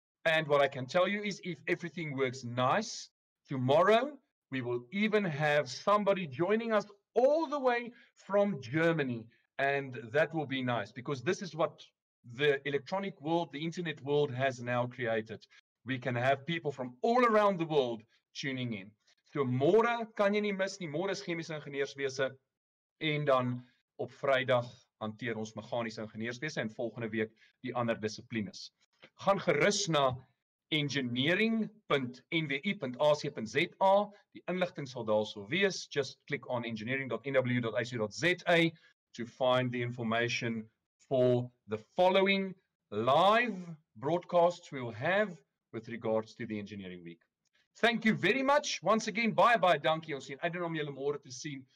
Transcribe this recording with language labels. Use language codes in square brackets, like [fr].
[en] And what I can tell you is, if everything works nice, tomorrow we will even have somebody joining us all the way from Germany, and that will be nice, because this is what the electronic world, the internet world, has now created. We can have people from all around the world tuning in. [af] So môre kan jy nie mis nie. Môre is chemiese ingenieurswese, en dan op Vrydag hanteer ons meganiese ingenieurswese, en volgende week die ander disciplines. Gaan gerus na engineering.nwi.ac.za. Die inligting sal daar sou wees. [en] Just click on engineering.nw.ac.za to find the information for the following live broadcasts we'll have with regards to the Engineering Week. Thank you very much. Once again, bye bye, [af] dankie. Ons sien uiteraard om julle môre te sien.